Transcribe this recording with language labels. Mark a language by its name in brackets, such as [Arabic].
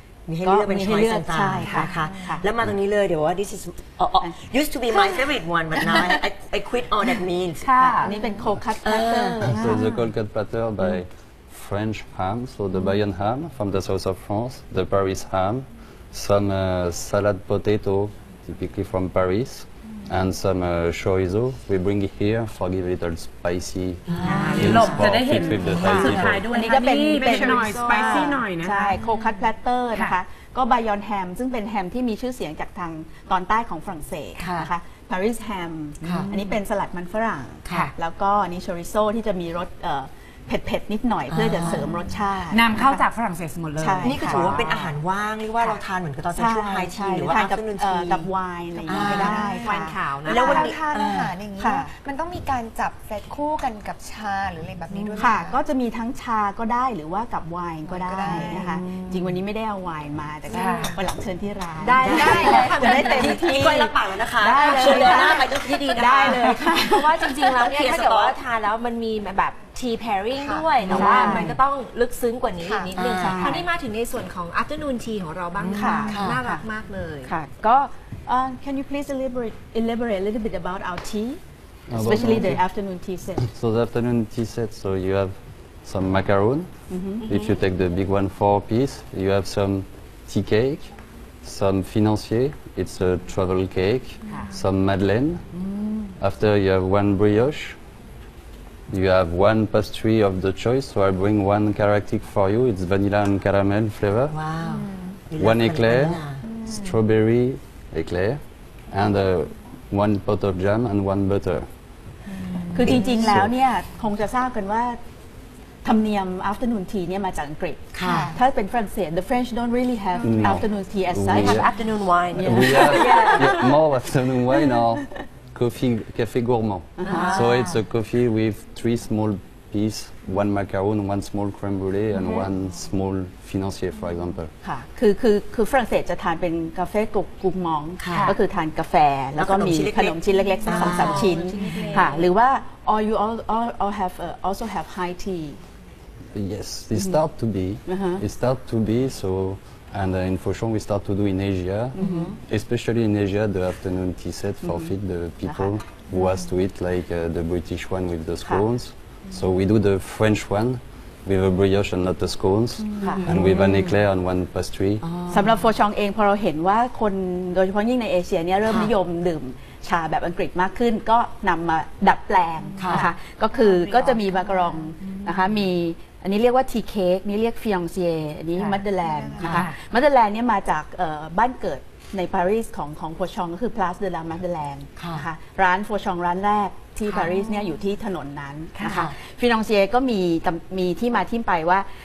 [Thai] มีให้เลือกเป็นช้อยส์ต่างๆนะคะแล้วมาตรงนี้เลยเดี๋ยวว่า [English] this is used to be my favorite one but now I quit all that means [Thai] ค่ะอันนี้เป็นโคลคัตแพลเตอร์ [English] so it's a cold cut platter by French ham so the Bayonne ham from the south of France the Paris ham some salad potato typically from ParisAnd some chorizo we bring it here for give it a little spicy fit with the Thai people. [Thai] อันนี้ก็เป็นหน่อย spicy หน่อยนะ ใช่โคคัตแพลเตอร์นะคะก็ Bayonne ham ซึ่งเป็นแฮมที่มีชื่อเสียงจากทางตอนใต้ของฝรั่งเศสนะคะ Paris ham อันนี้เป็นสลัดมันฝรั่งแล้วก็นี่ chorizo ที่จะมีรสเผ็ดๆนิดหน่อยเพื่อจะเสริมรสชาติน ำเข้าจากฝรั่งเศสหมดเลย นี่ก็ถือว่าเป็นอาหารว่างหรือว่าเราทานเหมือนกับตอนช่วงไฮทีหรือว่า ทานกับวายอะไรอย่างเงี้ยได้ไวน์ขาว นะแล้วเวลาทานอาหารอย่างเงี้ยมันต้องมีการจับเซตคู่กันกับชาหรืออะไรแบบนี้ด้วย ค่ะก็จะมีทั้งชาก็ได้หรือว่ากับไวน์ก็ได้นะคะจริงวันนี้ไม่ได้เอาไวน์มาแต่ก็วันหลังเชิญที่ร้าน ได้เลย ค่ะได้เต็มที่ ที่ก็รับปากแล้วนะคะ ได้เลย ชวนหน้าไปทุกที่ดีนะ ได้เลย เพราะว่าจริงๆแล้วเนี่ยถ้าเกิดว่าทานแล้วมันมีแบบtea pairing ด้วยแต่ว่ามันก็ต้องลึกซึ้งกว่านี้อีกนิดนึงค่ะคราวนี้มาถึงในส่วนของ afternoon tea ของเราบ้างค่ะน่ารักมากเลย ค่ะก็ [English] can you please elaborate a little bit about our tea especially the afternoon tea set so the afternoon tea set so you have some macaron if you take the big one 4 piece you have some tea cake some financier it's a travel cake some madeleine after you have one briocheYou have one pastry of the choice, so I bring one characteristic for you. It's vanilla and caramel flavor. Wow. One éclair, strawberry éclair, and one pot of jam and one butter. [Thai] คือจริงๆแล้วเนี่ยคงจะทราบกันว่าธรรมเนียม afternoon tea เนี่ยมาจากอังกฤษ ค่ะ ถ้าเป็นฝรั่งเศส [English] the French don't really have afternoon tea as such. Have afternoon wine. We have more afternoon wine now. Coffee, café gourmand. So it's a coffee with three small pieces, one macaron, one small crème brûlée, and one small financier, for example. [Thai] คือฝรั่งเศสจะทานเป็นกาแฟกุกกุกมองก็คือทานกาแฟแล้วก็มีขนมชิ้นเล็กๆสักสองสามชิ้นค่ะหรือว่า [English] or you all have also have high tea. Yes, it start to be. It start to be so. And in Fochon, we start to do in Asia, especially in Asia, the afternoon tea set for feed the people who has to eat like the British one with the scones. So we do the French one with a brioche and not the scones, and with an éclair and one pastry. [Thai] สำหรับ Fochon เองพอเราเห็นว่าคนโดยเฉพาะยิ่งในเอเชียเนี่ยเริ่มนิยมดื่มชาแบบอังกฤษมากขึ้นก็นำมาดัดแปลงนะคะก็คือก็จะมีมาการองนะคะมีอันนี้เรียกว่าทีเค้กนี่เรียกฟิองเซียอันนี้มัตเตอร์แลนด์นะคะมัตเตอร์แลนด์เนี่ยมาจากบ้านเกิดในปารีสของโฟชองก็คือพลาสเดอลามัตเตอร์แลนด์นะคะร้านโฟชองร้านแรกที่ปารีสเนี่ยอยู่ที่ถนนนั้นนะคะฟิองเซียก็มีที่มาที่ไปว่า